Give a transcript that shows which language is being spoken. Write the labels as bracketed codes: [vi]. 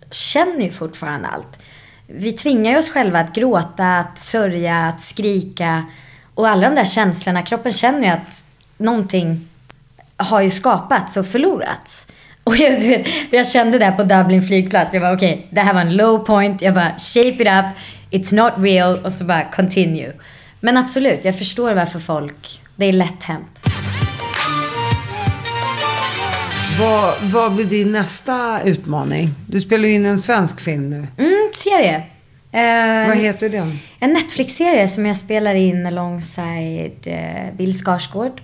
[sv] känner ju fortfarande allt. Vi tvingar oss själva att gråta, att sörja, att skrika. Och alla de där känslorna, kroppen känner ju att någonting har ju skapats och förlorats. Och jag, du vet, jag kände det på Dublin flygplats. Jag var okej, okay, det här var en low point. Jag bara, [en] shape it up, it's not real. [sv] Och så bara, continue. Men absolut, jag förstår varför folk, det är lätt hänt. Vad blir din nästa utmaning? Du spelar ju in en svensk film nu. Mm, serie. Vad heter den? En Netflix-serie som jag spelar in alongside Bill Skarsgård.